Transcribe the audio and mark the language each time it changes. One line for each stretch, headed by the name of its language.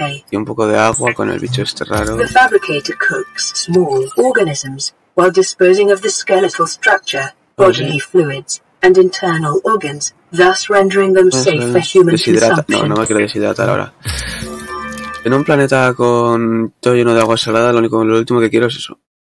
Spanish: Y un poco de agua con el bicho este raro.
English: The fabricator cooks small organisms while disposing of the skeletal structure, bodily fluids and internal organs, thus rendering them safe for human consumption.
Spanish: Deshidrata. No me quiero deshidratar ahora. En un planeta con todo lleno de agua salada, lo último que quiero es eso.